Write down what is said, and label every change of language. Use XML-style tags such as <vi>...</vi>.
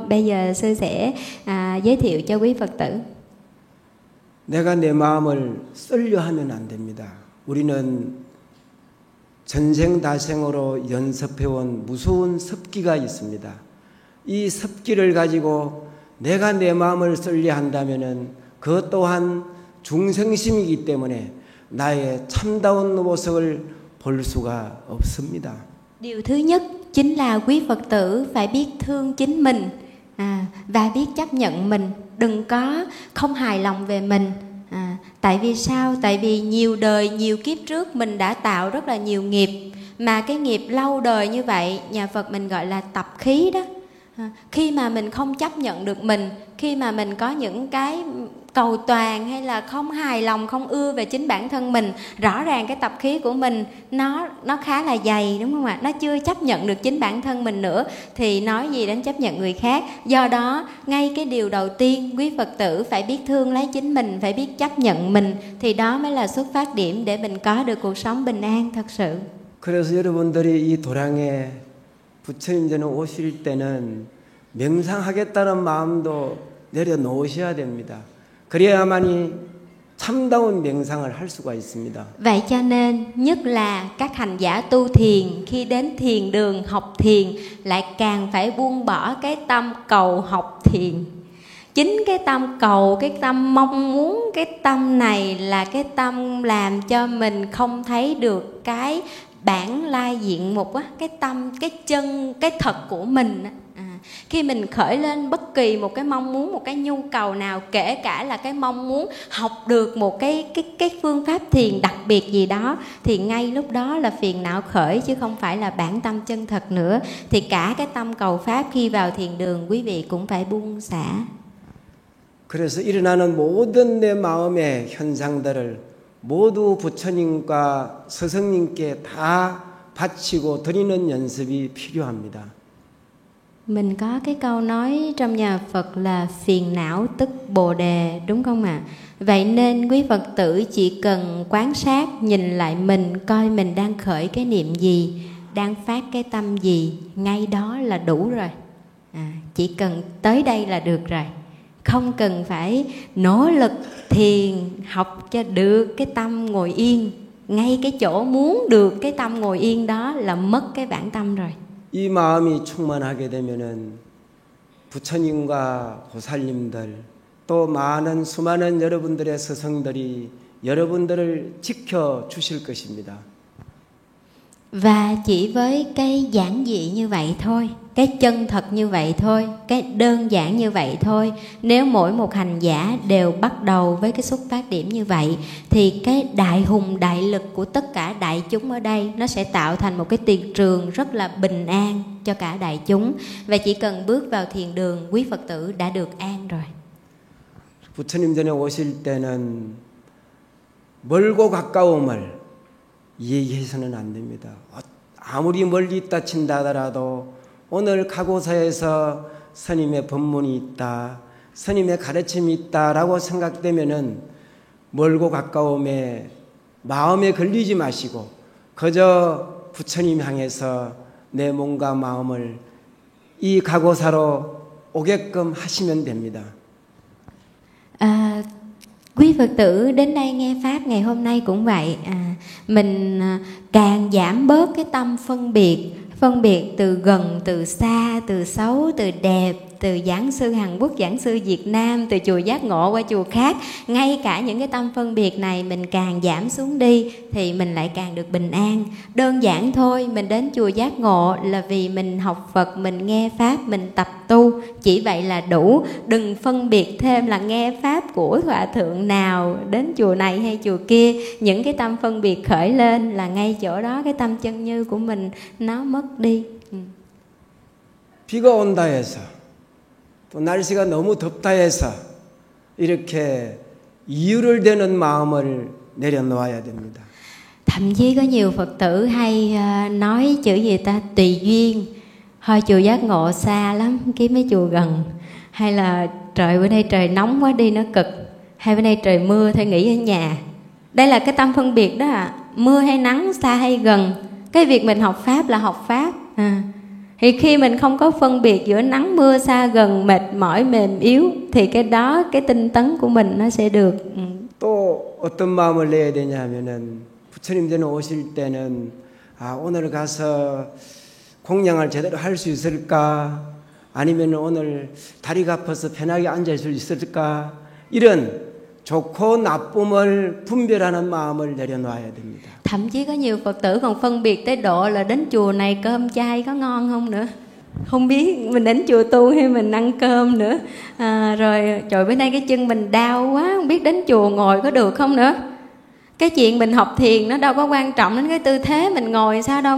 <vi>Bây giờ sư sẽ giới thiệu cho quý Phật tử.</vi> <ko>내가 내 마음을 쓸려 하면 안 됩니다. 우리는 전생다생으로 연습해온 무서운 습기가 있습니다. 이 습기를 가지고 내가 내 마음을 쓸려 한다면 그것 또한 중생심이기 때문에 나의 참다운 모습을 볼 수가 없습니다.</ko> <vi>Điều thứ nhất chính là quý Phật tử phải biết thương chính mình và biết chấp nhận mình, đừng có không hài lòng về mình. Tại vì sao? Tại vì nhiều đời, nhiều kiếp trước mình đã tạo rất là nhiều nghiệp. Mà cái nghiệp lâu đời như vậy, nhà Phật mình gọi là tập khí đó. Khi mà mình không chấp nhận được mình, khi mà mình có những cái cầu toàn hay là không hài lòng, không ưa về chính bản thân mình, rõ ràng cái tập khí của mình nó khá là dày, đúng không ạ? Nó chưa chấp nhận được chính bản thân mình nữa thì nói gì đến chấp nhận người khác. Do đó, ngay cái điều đầu tiên quý Phật tử phải biết thương lấy chính mình, phải biết chấp nhận mình, thì đó mới là xuất phát điểm để mình có được cuộc sống bình an thật sự.</vi> <ko>그래서 여러분들이 이 도량에 부처님께 오실 때는 명상하겠다는 마음도 내려놓으셔야 됩니다. 그래야만이 참다운 명상을 할 수가 있습니다.</ko> <vi>Vậy cho nên nhất là các hành giả tu thiền khi đến thiền đường học thiền lại càng phải buông bỏ cái tâm cầu học thiền. Chính cái tâm cầu, cái tâm mong muốn, cái tâm này là cái tâm làm cho mình không thấy được cái bản lai diện mục á, cái tâm, cái chân, cái thật của mình á. Khi mình khởi lên bất kỳ một cái mong muốn, một cái nhu cầu nào, kể cả là cái mong muốn học được một cái phương pháp thiền đặc biệt gì đó, thì ngay lúc đó là phiền não khởi chứ không phải là bản tâm chân thật nữa. Thì cả cái tâm cầu pháp khi vào thiền đường quý vị cũng phải buông xả.</vi> <ko>그래서 일어나는 모든 내 마음의 현상들을 모두 부처님과 스승님께 다 바치고 드리는 연습이 필요합니다.</ko> <vi>Mình có cái câu nói trong nhà Phật là phiền não tức bồ đề, đúng không ạ? Vậy nên quý Phật tử chỉ cần quan sát, nhìn lại mình, coi mình đang khởi cái niệm gì, đang phát cái tâm gì, ngay đó là đủ rồi. Chỉ cần tới đây là được rồi. Không cần phải nỗ lực thiền học cho được cái tâm ngồi yên. Ngay cái chỗ muốn được cái tâm ngồi yên đó là mất cái bản tâm rồi.</vi> <ko>이 마음이 충만하게 되면은 부처님과 보살님들 또 많은 수많은 여러분들의 스승들이 여러분들을 지켜 주실 것입니다.</ko> <vi>Và chỉ với cái giản dị như vậy thôi, cái chân thật như vậy thôi, cái đơn giản như vậy thôi, nếu mỗi một hành giả đều bắt đầu với cái xuất phát điểm như vậy, thì cái đại hùng đại lực của tất cả đại chúng ở đây nó sẽ tạo thành một cái tiền trường rất là bình an cho cả đại chúng. Và chỉ cần bước vào thiền đường, quý Phật tử đã được an rồi.</vi> <ko>부처님 전에 오실 때는 멀고 가까움을 얘기해서는 안 됩니다. 아무리 멀리 있다 친다 하더라도 오늘 각오사에서 스님의 법문이 있다, 스님의 가르침이 있다라고 생각되면은 멀고 가까움에 마음에 걸리지 마시고 그저 부처님 향해서 내 몸과 마음을 이 각오사로 오게끔 하시면 됩니다.</ko> <vi>Quý Phật tử đến đây nghe Pháp ngày hôm nay cũng vậy. Mình càng giảm bớt cái tâm phân biệt từ gần, từ xa, từ xấu, từ đẹp, từ giảng sư Hàn Quốc, giảng sư Việt Nam, từ chùa Giác Ngộ qua chùa khác. Ngay cả những cái tâm phân biệt này mình càng giảm xuống đi thì mình lại càng được bình an. Đơn giản thôi, mình đến chùa Giác Ngộ là vì mình học Phật, mình nghe Pháp, mình tập tu. Chỉ vậy là đủ. Đừng phân biệt thêm là nghe Pháp của Hòa Thượng nào, đến chùa này hay chùa kia. Những cái tâm phân biệt khởi lên là ngay chỗ đó cái tâm chân như của mình nó mất đi.</vi> <ko>비가 온다 해서 또 날씨가 너무 덥다 해서 이렇게 이유를 대는 마음을 내려놓아야 됩니다.</ko> <vi>Thậm chí có nhiều Phật tử hay nói chữ gì ta tùy duyên, hồi chùa Giác Ngộ xa lắm, kiếm mấy chùa gần, hay là trời bữa nay trời nóng quá đi nó cực, hay bữa nay trời mưa thôi nghỉ ở nhà. Đây là cái tâm phân biệt đó ạ, mưa hay nắng, xa hay gần, cái việc mình học Pháp là học Pháp. Thì khi mình không có phân biệt giữa nắng mưa xa gần mệt mỏi mềm yếu thì cái đó cái tinh tấn của mình nó sẽ được.</vi> <ko>또 어떤 마음을 내야 되냐면은 부처님 전에 오실 때는 아 오늘 가서 공양을 제대로 할 수 있을까 아니면 오늘 다리가 아파서 편하게 앉을 수 있을까 이런 좋고 나쁨을 분별하는 마음을 내려놔야 됩니다.</ko> <vi>Thậm chí có nhiều Phật tử còn phân biệt tới độ là đến chùa này cơm chay có ngon không nữa. Không biết mình đến chùa tu hay mình ăn cơm nữa. Rồi trời bữa nay cái chân mình đau quá, không biết đến chùa ngồi có được không nữa. Cái chuyện mình học thiền nó đâu có quan trọng đến cái tư thế mình ngồi sao đâu.</vi>